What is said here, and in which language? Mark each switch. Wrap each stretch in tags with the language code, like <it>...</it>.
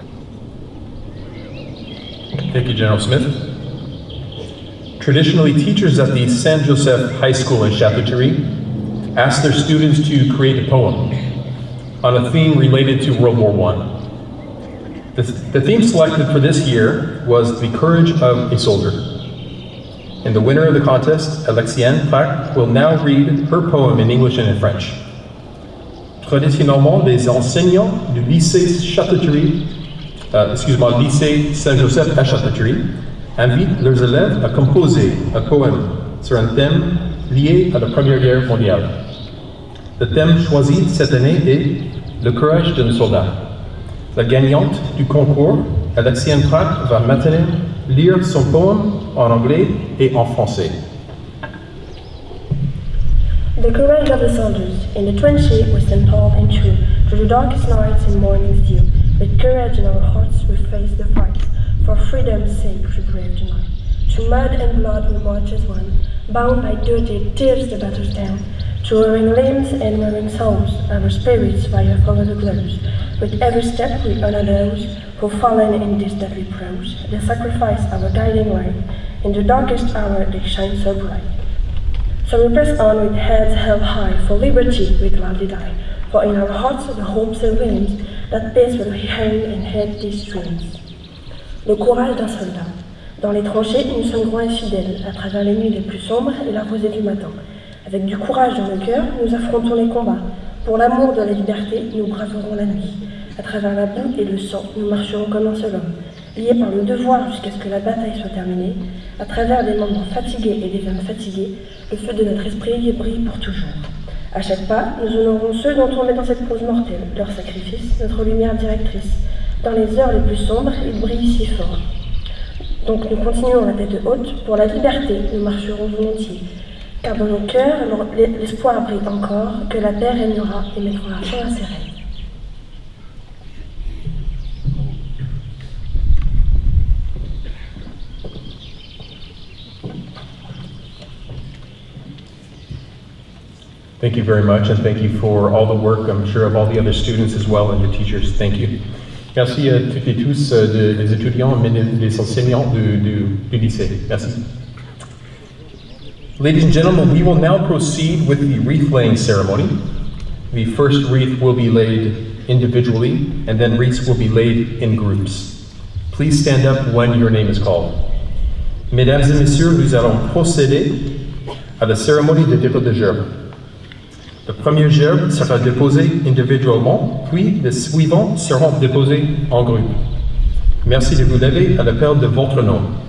<en>Thank you, General Smith. Traditionally, teachers at the San Joseph High School in Chapitre ask their students to create a poem on a theme related to World War I. The theme selected for this year was The Courage of a Soldier. And the winner of the contest, Alexienne Prac, will now read her poem in English and in French.</en> <fr>Traditionnellement, les enseignants du lycée Chapitre lycée Saint-Joseph à Chapitre invite leurs élèves à composer un poème sur un thème lié à la Première Guerre mondiale. Le thème choisi cette année est Le courage d'un soldat. La gagnante du concours, Alexienne Prac, va maintenant lire son poème en anglais et en français.</fr> <en>The courage of the soldiers in the trenches was then tall and true through the darkest nights and mornings deep. The courage in our hearts we face the fight. For freedom's sake we brave tonight. To mud and blood we march as one, bound by duty, tears the battle's down. To wearing limbs and wearing souls, our spirits fire follow the glows. With every step we honor those who fallen in this deadly prose. They sacrifice our guiding light. In the darkest hour they shine so bright. So we press on with heads held high, for liberty we gladly die. For in our hearts the hope still wins, that peace will hang and head these dreams.</en> <fr>Le courage d'un soldat. Dans les tranchées, nous sommes grands et fidèles, à travers les nuits les plus sombres et la rosée du matin. Avec du courage dans le cœur, nous affrontons les combats. Pour l'amour de la liberté, nous braverons la nuit. À travers la boue et le sang, nous marcherons comme un seul homme. Liés par le devoir jusqu'à ce que la bataille soit terminée, à travers des membres fatigués et des âmes fatiguées, le feu de notre esprit y brille pour toujours. À chaque pas, nous honorons ceux dont on met dans cette pose mortelle, leur sacrifice, notre lumière directrice. Dans les heures les plus sombres, ils brillent si fort. Donc nous continuons la tête haute, pour la liberté, nous marcherons volontiers. Car dans nos cœurs, l'espoir brille encore, que la paix régnera et mettra la fin à ses rêves.</fr> <en>Thank you very much, and thank you for all the work, I'm sure, of all the other students as well, and the teachers. Thank you.</en> <fr>Merci à toutes et tous les étudiants, mais les enseignants du lycée. Merci.</fr> <en>Ladies and gentlemen, we will now proceed with the wreath-laying ceremony. The first wreath will be laid individually, and then wreaths will be laid in groups. Please stand up when your name is called.</en> <fr>Mesdames et messieurs, nous allons procéder à la cérémonie de dépôt de gerbes. Le premier gerbe sera déposé individuellement, puis les suivants seront déposés en groupe. Merci de vous lever à l'appel de votre nom.</fr>